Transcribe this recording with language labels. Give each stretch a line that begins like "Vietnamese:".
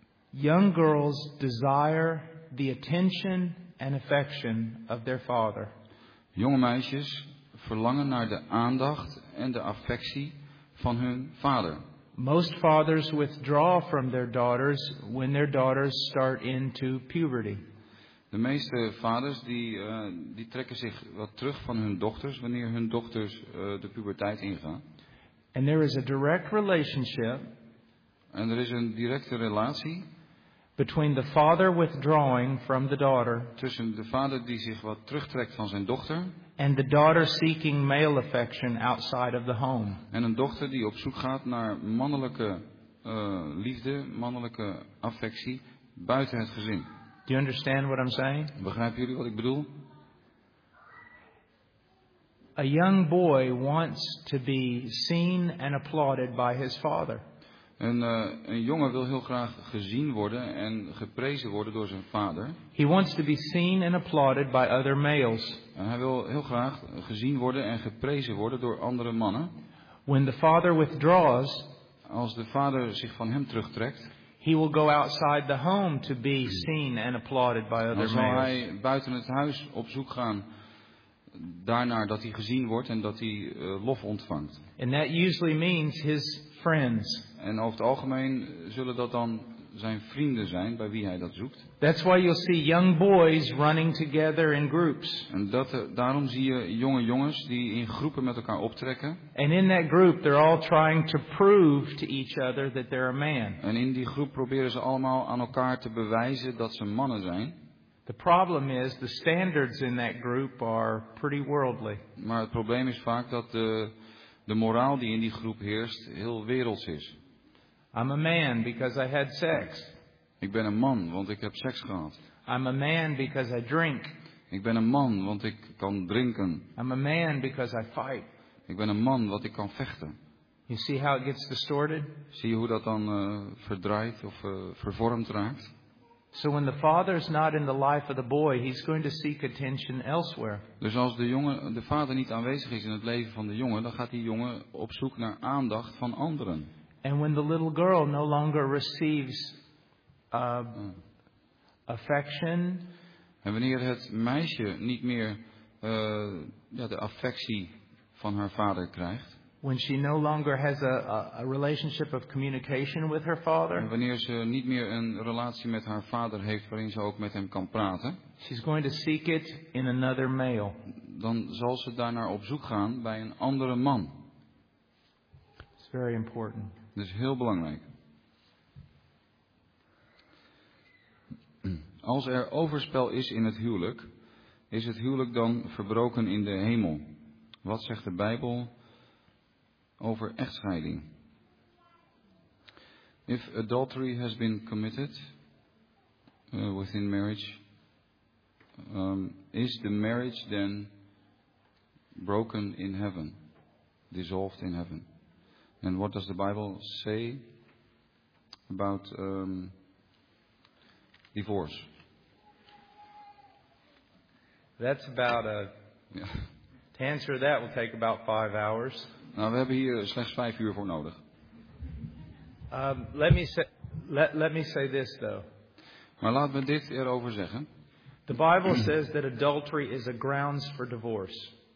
English: Young girls desire the attention and affection of their father.
Dutch: Jonge meisjes verlangen naar de aandacht en de affectie van hun vader.
English: Most fathers withdraw from their daughters when their daughters start into puberty.
Dutch: De meeste vaders die trekken zich wat terug van hun dochters wanneer hun dochters de puberteit ingaan.
English: And there is a direct relationship.
Dutch: En er is een directe relatie.
English: Between the father withdrawing from the daughter.
Dutch: Tussen de vader die zich wat terugtrekt van zijn dochter.
English: And the daughter seeking male affection outside of the home.
Dutch: En een dochter die op zoek gaat naar mannelijke liefde, mannelijke affectie buiten het gezin.
English: Do you understand what I'm saying?
Dutch: Begrijpen jullie wat ik bedoel?
English: A young boy wants to be seen and applauded by his father.
Dutch: Een jongen wil heel graag gezien worden en geprezen worden door zijn vader.
English: He wants to be seen and applauded by other males.
Dutch: En hij wil heel graag gezien worden en geprezen worden door andere mannen.
English: When the father withdraws,
Dutch: als de vader zich van hem terugtrekt,
English: he will go outside the home to be seen and applauded by other males.
Dutch: Dan zal hij buiten het huis op zoek gaan daarnaar dat hij gezien wordt en dat hij lof ontvangt.
English: And that usually means his friends.
Dutch: En over het algemeen zullen dat dan zijn vrienden zijn bij wie hij dat zoekt.
English: That's why you'll see young boys running together in groups.
Dutch: En daarom zie je jonge jongens die in groepen met elkaar optrekken.
English: And in that group they're all trying to prove to each other that they're a man.
Dutch: En in die groep proberen ze allemaal aan elkaar te bewijzen dat ze mannen zijn.
English: The problem is the standards in that group are pretty worldly.
Dutch: Maar het probleem is vaak dat de moraal die in die groep heerst heel werelds is.
English: I'm a man because I had sex.
Dutch: Ik ben een man want ik heb seks gehad.
English: I'm a man because I drink.
Dutch: Ik ben een man want ik kan drinken.
English: I'm a man because I fight.
Dutch: Ik ben een man want ik kan vechten.
English: You see how it gets distorted?
Dutch: Zie je hoe dat dan verdraaid of vervormd raakt?
English: So when the father is not in the life of the boy, he's going to seek attention elsewhere.
Dutch: Dus als de vader niet aanwezig is in het leven van de jongen, dan gaat die jongen op zoek naar aandacht van anderen.
English: And when the little girl no longer receives affection.
Dutch: En wanneer het meisje niet meer de affectie van haar vader krijgt.
English: When she no longer has a relationship of communication with her father.
Dutch: En wanneer ze niet meer een relatie met haar vader heeft waarin ze ook met hem kan praten.
English: She's going to seek it in another male.
Dutch: Dan zal ze daarnaar op zoek gaan bij een andere man.
English: It's very important.
Dutch: Dat is heel belangrijk. Als er overspel is in het huwelijk, Is het huwelijk dan verbroken in de hemel? Wat zegt de Bijbel over echtscheiding?
English: If adultery has been committed within marriage, is the marriage then broken in heaven, dissolved in heaven? And what does the Bible say about divorce? That's about a... Yeah. To answer that will take about 5 hours.
Dutch: Nou, we hebben hier slechts 5 uur voor nodig.
English: Let me say this though.
Dutch: Maar laat me dit erover zeggen.
English: The Bible says that adultery is a grounds for divorce.